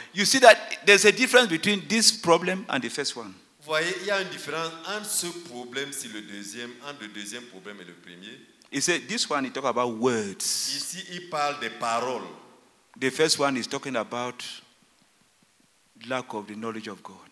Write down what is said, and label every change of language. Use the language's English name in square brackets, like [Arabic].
[English] You see that there's a difference between this problem and the first one. [French] Vous voyez, il y a une différence entre ce problème, c'est le deuxième, entre le deuxième problème et le premier. [English] He said, this one, he talk about words. [French] Ici, il parle des paroles. [English] The first one is talking about lack of the knowledge of God.